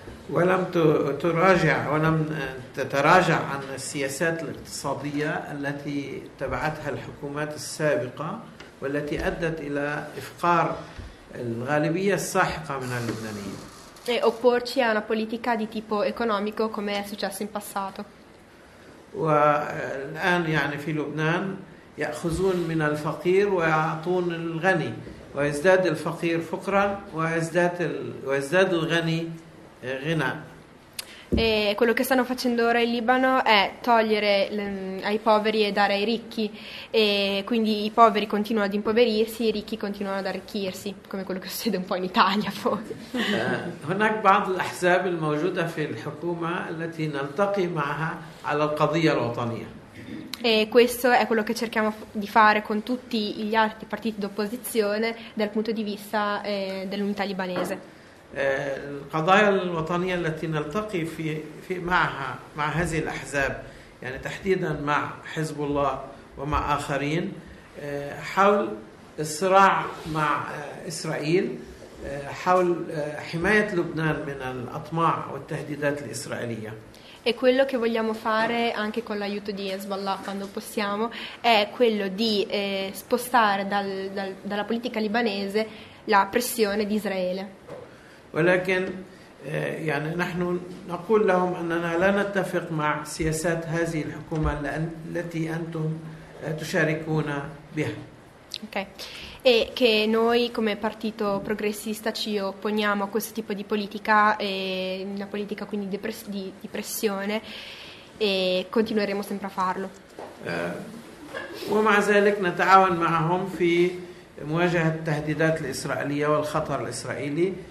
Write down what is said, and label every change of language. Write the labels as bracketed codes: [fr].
[ar] ولم تراجع ولم تتراجع عن السياسات الاقتصادية التي تبعتها الحكومات السابقة والتي أدت إلى إفقار الغالبية الساحقة من اللبنانيين. [it] E opporci a una politica di tipo economico come è successo in passato. [ar] والآن يعني في لبنان يأخذون من الفقير ويعطون الغني ويزداد الفقير فقرا ويزداد الغني غنى. [it] E quello che stanno facendo ora in Libano è togliere ai poveri e dare ai ricchi e quindi i poveri continuano ad impoverirsi e i ricchi continuano ad arricchirsi come quello che succede un po' in Italia poi. [ar] هناك بعض الأحزاب الموجودة في الحكومة التي نلتقي معها على القضية الوطنية. [it] E questo è quello che cerchiamo di fare con tutti gli altri partiti d'opposizione dal punto di vista dell'unità libanese. [ar] القضايا الوطنية التي نلتقي في معها مع هذه الأحزاب يعني تحديدا مع حزب الله ومع آخرين حول الصراع مع إسرائيل حول حماية لبنان من الأطماع والتهديدات الإسرائيلية. [it] E quello che vogliamo fare anche con l'aiuto di Hezbollah quando possiamo è quello di spostare dalla politica libanese la pressione di Israele. [ar] ولكن يعني نحن نقول لهم أننا لا نتفق مع سياسات هذه الحكومة التي أنتم تشاركون بها. Okay. [it] E che noi come partito progressista ci opponiamo a questo tipo di politica, una politica quindi di pressione, e continueremo sempre a farlo. [ar] ومع ذلك نتعاون معهم في مواجهة التهديدات الإسرائيلية والخطر الإسرائيلي.